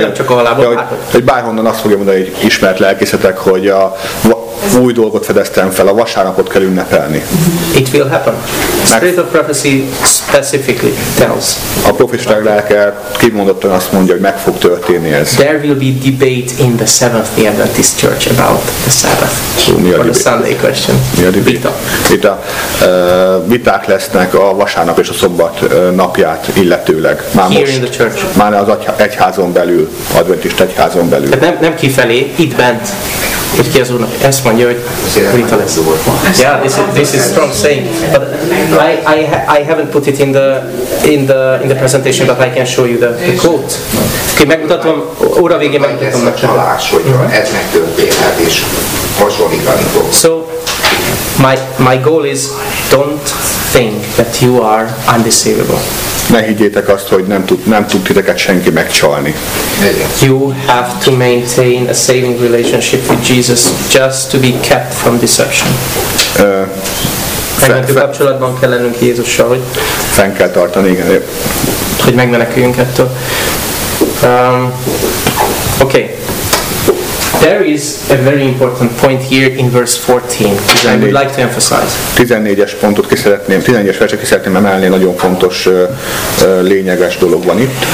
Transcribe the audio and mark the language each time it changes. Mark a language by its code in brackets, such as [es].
[hu] Nem csak a halálból, de, hogy bárhonnan azt fogja mondani, hogy ismert lelkészetek, hogy a új dolgot fedeztem fel, a vasárnapot kell ünnepelni. [en] It will happen. Spirit of prophecy specifically tells. [hu] A profétaság lelke kimondottan azt mondja, hogy meg fog történni ez. [en] There will be debate in the Seventh-day Adventist Church about the Sabbath. Or the Sunday question. [hu] Mi a debate? Vita. Viták lesznek a vasárnap és a szombat napját illetőleg. Már [en] here [hu] most. [en] In the church. [hu] Már az egyházon belül, adventist egyházon belül. Tehát nem kifelé, itt bent. Hogy ki az úrnak? Ezt mondja, hogy Rita lesz. [en] Yeah, this is strong saying. But I haven't put it in the presentation, but I can show you the quote. [hu] Oké, okay, megmutatom, óra végén megmutatom neked. Ez a csalás, hogy ez megtörténhet és hasonlítani fog. [en] So, my goal is don't think that you are undeceivable. [hu] Ne higgyétek azt, hogy nem tud titeket senki megcsalni. [en] You have to maintain a saving relationship with Jesus just to be kept from deception. [hu] Kapcsolatban kell lennünk Jézussal, hogy fenn kell tartani, igen. Hogy megmeneküljünk ettől. [en] Okay. There is a very important point here in verse 14, which I would like to emphasize. [hu] 14-es pontot kiszeretném, 14-es verset kiszeretném emelni, nagyon fontos, lényeges dolog van itt.